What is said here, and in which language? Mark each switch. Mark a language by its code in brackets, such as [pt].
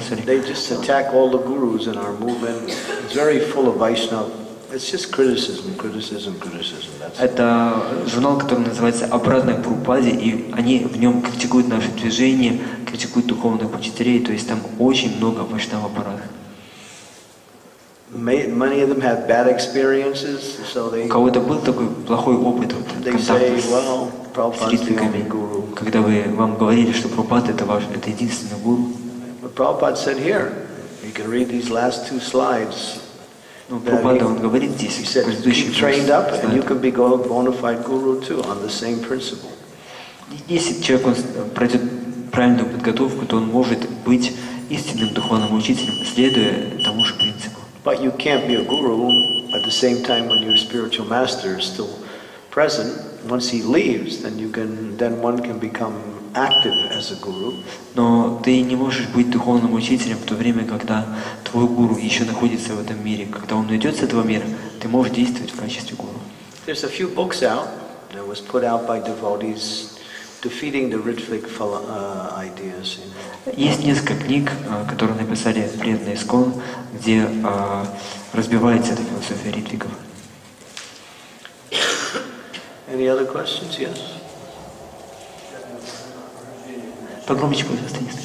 [en] Sorry. They just attack all the gurus in our movement. It's very full of Vaishnava. It's just criticism, criticism, criticism. [ru] Это журнал, который называется «Обратная Прабхупаде», и они в нем критикуют наше движение, критикуют духовных учителей, то есть там очень много Вайшнава аппарата. [en] Many of them have bad experiences, so they. [ru] У кого-то был такой плохой опыт вот, контакта с ритвиками, когда вы вам говорили, что Прабхупада это ваш, это единственный гуру. [en] But Prabhupada said here, you can read these last two slides. [ru] Ну, Прабхупада он говорит здесь, [en] he said, [ru] предыдущий курс. [en] Trained up, and you can be a bona fide guru too on the same principle. [ru] Если человек он пройдет правильную подготовку, то он может быть истинным духовным учителем, следуя тому же принципу. [en] But you can't be a guru at the same time when your spiritual master is still present. Once he leaves, then one can become active as a guru. [ru] Но ты не можешь быть духовным учителем в то время, когда твой гуру еще находится в этом мире. Когда он уйдет с этого мира, ты можешь действовать в качестве гуру. [en] There's a few books out that was put out by devotees defeating the Ritvik ideas. [ru] Есть несколько книг, которые написали преданные ИСККОН, где разбивается эта философия ритвиков. [en] Any other questions? Yes. [ru] Погромче, пожалуйста.